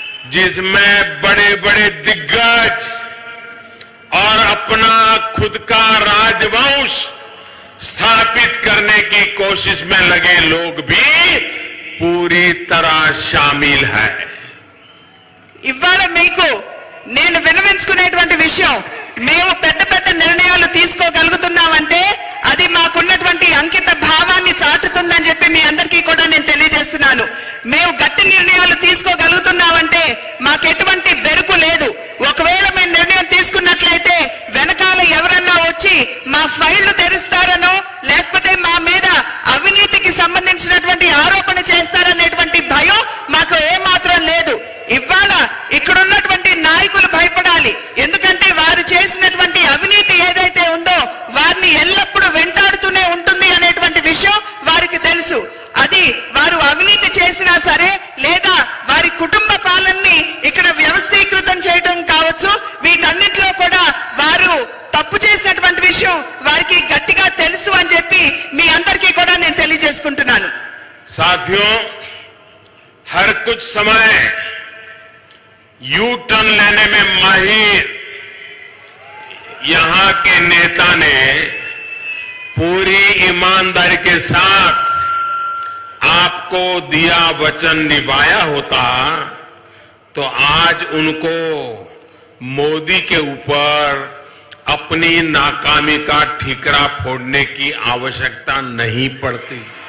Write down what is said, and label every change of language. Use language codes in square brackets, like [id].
[hi] जिसमें बड़े बड़े दिग्गज और अपना खुद का राजवंश स्थापित करने की कोशिश में लगे लोग भी पूरी तरह शामिल है। [te] ఇవాల మీకు నేను వినవించుకునేటువంటి విషయం, మేము పెద్ద పెద్ద నిర్ణయాలు తీసుకోగలుగుతున్నామంటే అది మాకున్నటువంటి అంకిత భావాన్ని చాటుతుందని చెప్పి మీ అందరికీ కూడా నేను తెలియజేస్తున్నాను. మేము గట్టి నిర్ణయాలు తీసుకోగలుగుతున్నామంటే మాకెటువంటి బెరుకు లేదు. ఒకవేళ మేము నిర్ణయం తీసుకున్నట్లయితే వెనకాల ఎవరన్నా వచ్చి మా ఫైళ్లు తెరుస్తారనో లేకపోతే మా మీద అవినీతికి సంబంధించినటువంటి ఆరోపణ చేస్తారనేటువంటి భయం మాకు ఏమాత్రం లేదు. ఇవాళ ఇక్కడ ఉన్నటువంటి నాయకులు భయపడాలి, ఎందుకంటే వారు చేసినటువంటి అవినీతి ఏదైతే ఉందో వారిని ఎల్లప్పుడూ వెంటాడుతూనే ఉంటుంది అనేటువంటి విషయం వారికి తెలుసు. అది వారు అవినీతి చేసినా సరే లేదా వారి కుటుంబ పాలనని ఇక్కడ వ్యవస్థీకృతం చేయడం కావచ్చు, వీటన్నిటిలో కూడా వారు తప్పు చేసినటువంటి విషయం వారికి గట్టిగా తెలుసు అని చెప్పి మీ అందరికీ కూడా నేను తెలియజేసుకుంటున్నాను. [hi] సాధ్యం హర్ కుచ్ సమయ यू टर्न लेने में माहिर यहां के नेता ने पूरी ईमानदारी के साथ आपको दिया वचन निभाया होता तो आज उनको मोदी के ऊपर अपनी नाकामी का ठीकरा फोड़ने की आवश्यकता नहीं पड़ती।